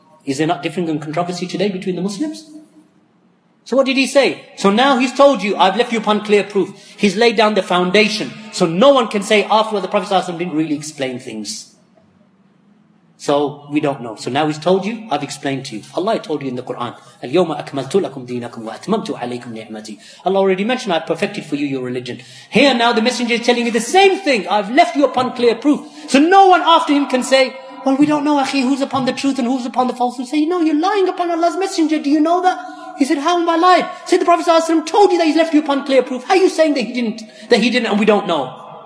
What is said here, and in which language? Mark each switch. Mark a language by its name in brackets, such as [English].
[English] Is there not difference and controversy today between the Muslims? So what did he say? So now he's told you, I've left you upon clear proof. He's laid down the foundation. So no one can say afterward the Prophet ﷺ didn't really explain things. So we don't know. So now he's told you, I've explained to you. Allah told you in the Quran, [Arabic] الْيَوْمَ أَكْمَلْتُ لَكُمْ دِينَكُمْ وَأَتْمَمْتُ عَلَيْكُمْ نِعْمَتِي. [English] Allah already mentioned, I've perfected for you your religion. Here now the messenger is telling you the same thing. I've left you upon clear proof. So no one after him can say, well, we don't know, akhi, who's upon the truth and who's upon the false. And say, no, you're lying upon Allah's messenger. Do you know that? He said, how am I lying? Said the Prophet ﷺ told you that he's left you upon clear proof. How are you saying that he didn't and we don't know?